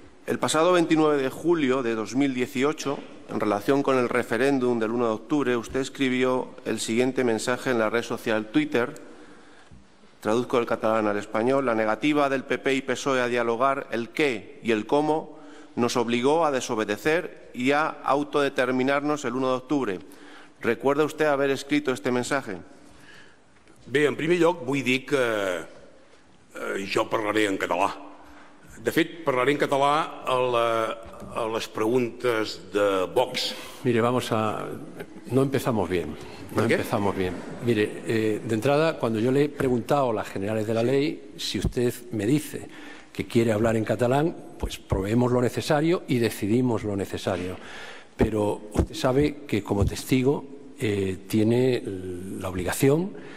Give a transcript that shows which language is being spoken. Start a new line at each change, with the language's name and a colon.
Spanish: El pasado 29 de julio de 2018, en relación con el referéndum del 1 de octubre, usted escribió el siguiente mensaje en la red social Twitter, traduzco el catalán al español: la negativa del PP y PSOE a dialogar, el qué y el cómo, nos obligó a desobedecer y a autodeterminarnos el 1 de octubre. ¿Recuerda usted haber escrito este mensaje?
Catalan: Bé, en primer lloc vull dir que jo parlaré en català. De fet, parlaré en català a les preguntes de Vox.
Spanish: Mire, vamos a... No empezamos bien. No empezamos bien. Mire, de entrada, cuando yo le he preguntado a las generales de la ley, si usted me dice que quiere hablar en catalán, pues probemos lo necesario y decidimos lo necesario. Pero usted sabe que como testigo tiene la obligación